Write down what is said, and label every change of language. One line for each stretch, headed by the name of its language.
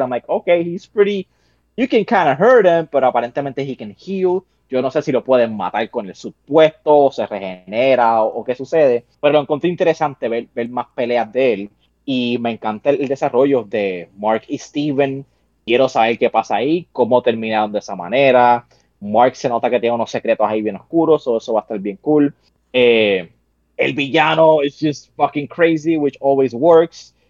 English: I'm like, okay, he's pretty, you can kind of hurt him,
Spanish: pero aparentemente
English: he can heal.
Spanish: Yo no sé si lo pueden matar con el supuesto, o se regenera, o qué sucede, pero lo encontré interesante ver más peleas de él, y me encanta el desarrollo de Mark y Steven. Quiero saber qué pasa ahí, cómo terminaron de esa manera. Mark se nota que tiene unos secretos ahí bien oscuros, eso va a estar bien cool. El villano
English: is just fucking crazy, which always works.